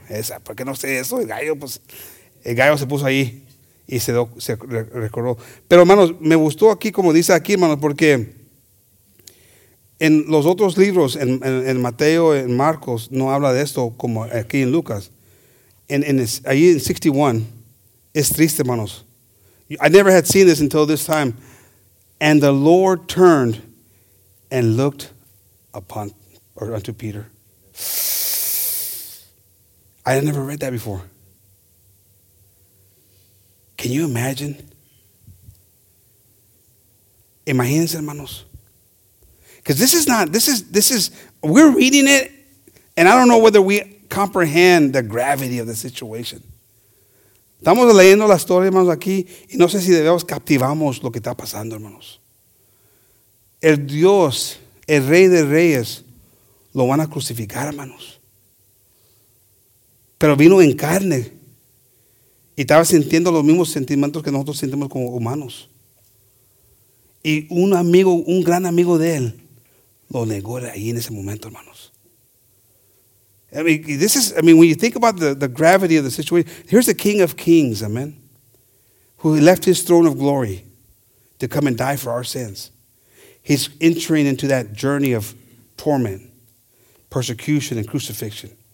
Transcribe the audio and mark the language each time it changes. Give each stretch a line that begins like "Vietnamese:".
Spanish: Esa, ¿por qué no sé eso? El gallo, pues. El gallo se puso ahí y se recordó. Pero, hermanos, me gustó aquí, como dice aquí, hermanos, porque en los otros libros, en Mateo, en Marcos, no habla de esto como aquí en Lucas. Ahí en 61, es triste, hermanos.
English: I never had seen this until this time. And the Lord turned and looked upon, or unto Peter. I had never read that before. Can you imagine?
Spanish: Imagínense, hermanos.
English: Because this is, we're reading it, and I don't know whether we comprehend the gravity of the situation.
Spanish: Estamos leyendo la historia, hermanos, aquí, y no sé si debemos captivamos lo que está pasando, hermanos. El Dios, el Rey de Reyes, lo van a crucificar, hermanos. Pero vino en carne y estaba sintiendo los mismos sentimientos que nosotros sentimos como humanos. Y un amigo, un gran amigo de él, lo negó ahí en ese momento, hermanos.
English: When you think about the gravity of the situation, here's the King of Kings, amen, who left his throne of glory to come and die for our sins. He's entering into that journey of torment, persecution, and crucifixion.